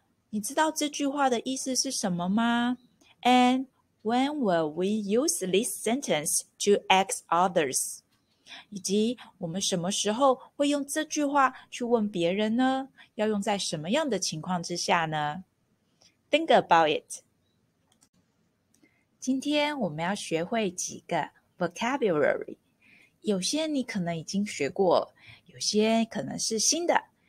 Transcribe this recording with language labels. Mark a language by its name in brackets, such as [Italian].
[Chinese] 你知道这句话的意思是什么吗? [English] And when will we use this sentence to ask others? [Chinese] 以及我们什么时候会用这句话去问别人呢? 要用在什么样的情况之下呢? [English] Think about it. [Chinese] 今天我们要学会几个 vocabulary。有些你可能已经学过，有些可能是新的。